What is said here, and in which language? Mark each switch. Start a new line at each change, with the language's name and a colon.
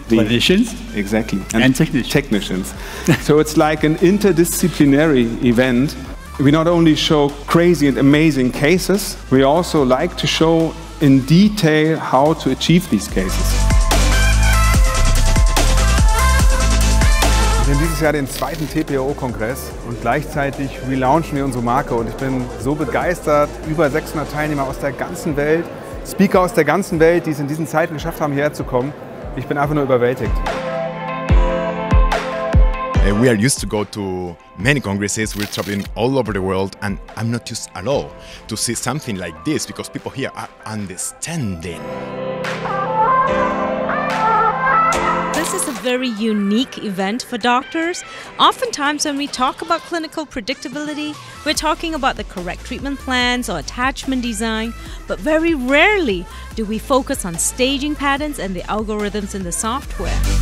English: the clinicians. Exactly. And technicians. So it's like an interdisciplinary event. We not only show crazy and amazing cases, we also like to show in detail how to achieve these cases.
German: Wir sind dieses Jahr den zweiten TPAO-Kongress und gleichzeitig relaunchen wir unsere Marke und ich bin so begeistert, über 600 Teilnehmer aus der ganzen Welt, Speaker aus der ganzen Welt, die es in diesen Zeiten geschafft haben, hierher zu kommen. Ich bin einfach nur überwältigt.
English: We are used to go to many congresses, we're traveling all over the world and I'm not used at all to see something like this because people here are understanding. This is a very unique event for doctors. Oftentimes when we talk about clinical predictability, we're talking about the correct treatment plans or attachment design, but very rarely do we focus on staging patterns and the algorithms in the software.